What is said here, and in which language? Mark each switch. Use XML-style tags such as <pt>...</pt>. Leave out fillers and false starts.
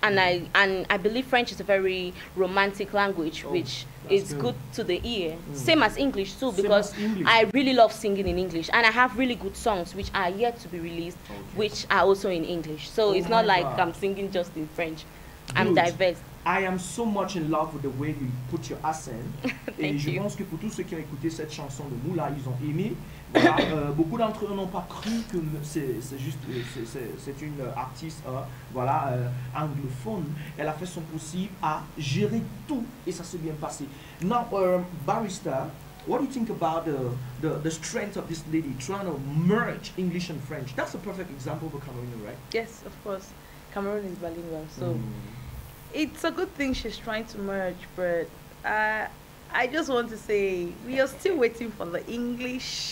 <en>And I believe French is a very romantic language, which is good to the ear. Same as English too, because English. I really love singing in English, and I have really good songs which are yet to be released, which are also in English. So it's not like I'm singing just in French. I'm diverse. I am so much in love with the way you put your accent. Thank</en> <fr>et je</fr> <en>you.</en> <fr>Pense que pour tous ceux qui ont écouté cette chanson de Moula, ils ont aimé. Voilà, beaucoup d'entre eux n'ont pas cru que c'est une artiste voilà, anglophone. Elle a fait son possible à gérer tout et ça s'est bien passé.</fr> <en>Now, barrister, what do you think about the strength of this lady trying to merge English and French? That's a perfect example of a Cameroonian, right? Yes, of course. Cameroon is bilingual, so it's a good thing she's trying to merge, but I just want to say we are still waiting for the English</en>